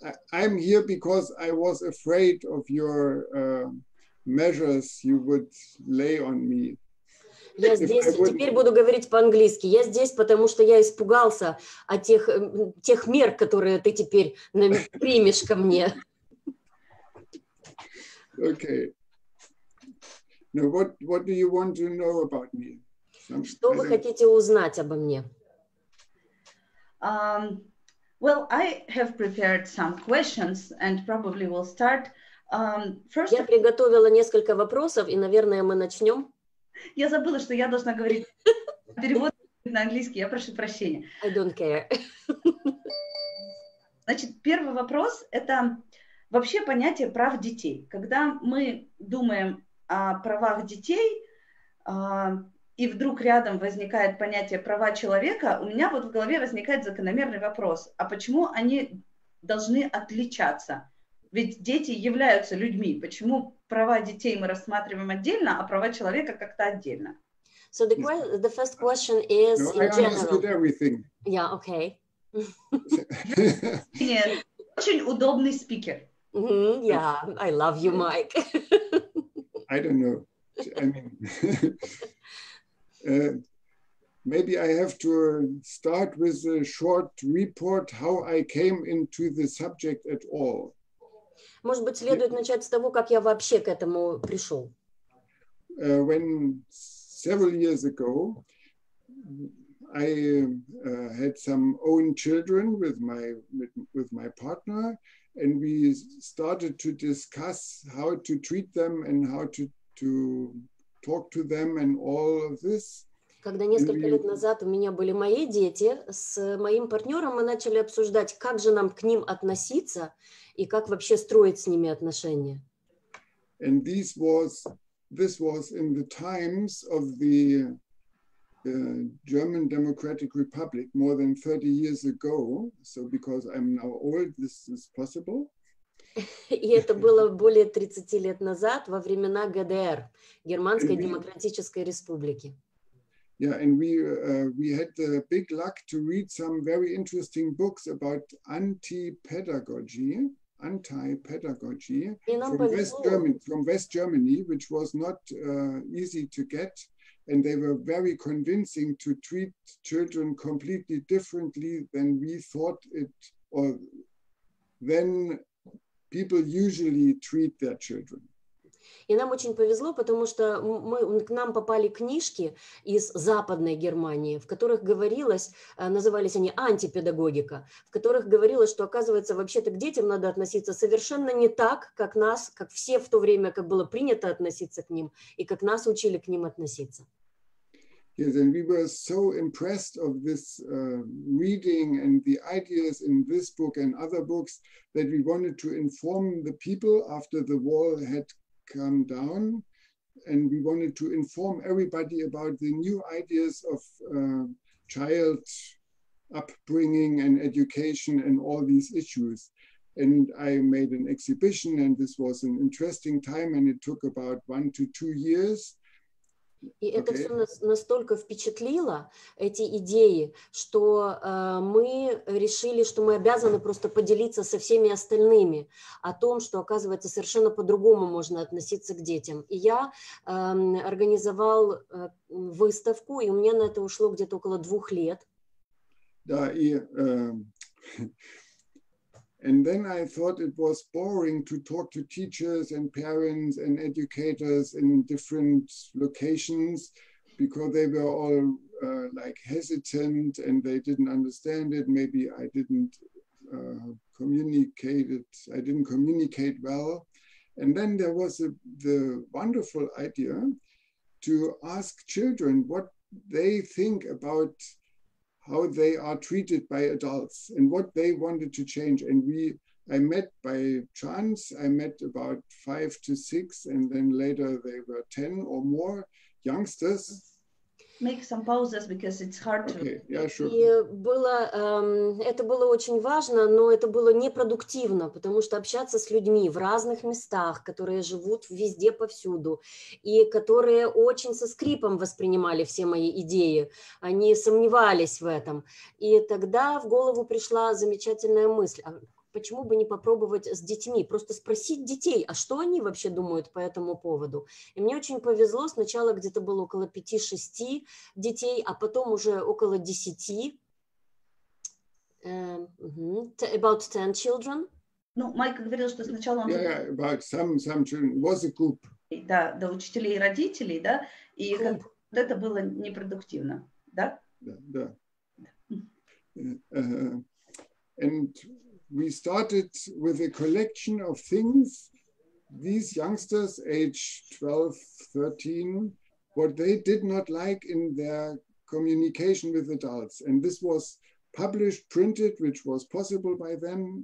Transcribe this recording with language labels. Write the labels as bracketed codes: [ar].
[en] I'm here because I was afraid of your measures you would lay on me. [ru] Я здесь, теперь буду говорить по-английски. Я здесь, потому что я испугался от тех мер, которые ты теперь примешь ко мне. [en] Okay. Now what do you want to know about me? [ru] Что вы хотите узнать обо мне? [en] Well, I have prepared some questions and probably will start. [ru] Я приготовила несколько вопросов, и, наверное, мы начнем. Я забыла, что я должна говорить перевод на английский. Я прошу прощения. [en] I don't care. [ru] Значит, первый вопрос – это вообще понятие прав детей. Когда мы думаем о правах детей, и вдруг рядом возникает понятие права человека, у меня вот в голове возникает закономерный вопрос. А почему они должны отличаться? Ведь дети являются людьми. Почему права детей мы рассматриваем отдельно, а права человека как-то отдельно? [en] So the first question is in general. No, I understood everything. Yeah, okay. [ru] Нет, очень удобный спикер. [en] Yeah, I love you, Mike. I don't know. I mean, maybe I have to start with a short report how I came into the subject at all. [ru] Может быть, следует начать с того, как я вообще к этому пришел. [en] When several years ago, I had some own children with my partner, and we started to discuss how to treat them and how to talk to them and all of this. [ru] Когда несколько лет назад у меня были мои дети, с моим партнером мы начали обсуждать, как же нам к ним относиться и как вообще строить с ними отношения. [en] And this was in the times of the German Democratic Republic more than 30 years ago. So because I'm now old, this is possible. [ru] И это было более 30 лет назад, во времена ГДР, Германской Демократической Республики. [en] Yeah, and we had the big luck to read some very interesting books about anti-pedagogy from West Germany, which was not easy to get, and they were very convincing to treat children completely differently than we thought it, or than people usually treat their children. [ru] И нам очень повезло, потому что к нам попали книжки из Западной Германии, в которых говорилось, назывались они антипедагогика, в которых говорилось, что оказывается вообще-то к детям надо относиться совершенно не так, как нас, как все в то время, как было принято относиться к ним, и как нас учили к ним относиться. [en] Yes, and we were so impressed of this reading and the ideas in this book and other books that we wanted to inform the people after the war had come down, and we wanted to inform everybody about the new ideas of child upbringing and education and all these issues. And I made an exhibition, and this was an interesting time, and it took about 1 to 2 years. [ru] И это все настолько впечатлило, эти идеи, что мы решили, что мы обязаны просто поделиться со всеми остальными о том, что, оказывается, совершенно по-другому можно относиться к детям. И я организовал выставку, и у меня на это ушло где-то около 2 лет. Да, и... [en] And then I thought it was boring to talk to teachers and parents and educators in different locations because they were all like hesitant and they didn't understand it. Maybe I didn't communicate well. And then there was the wonderful idea to ask children what they think about how they are treated by adults and what they wanted to change. And I met by chance about 5 to 6, and then later they were 10 or more youngsters. Make some pauses because it's hard to... Okay, yeah, sure. [ru] И было, это было очень важно, но это было непродуктивно, потому что общаться с людьми в разных местах, которые живут везде, повсюду, и которые очень со скрипом воспринимали все мои идеи, они сомневались в этом. И тогда в голову пришла замечательная мысль. почему бы не попробовать с детьми, просто спросить детей, а что они вообще думают по этому поводу. И мне очень повезло, сначала где-то было около 5-6 детей, а потом уже около 10. [en] About 10 children. [ru] Ну, Майк говорил, что сначала он... [en] About some children. Was a group. [ru] Да, до учителей и родителей, да, и как, вот это было непродуктивно, да? Да. [en] And we started with a collection of things, these youngsters, age 12, 13, what they did not like in their communication with adults. And this was published, printed, which was possible by then.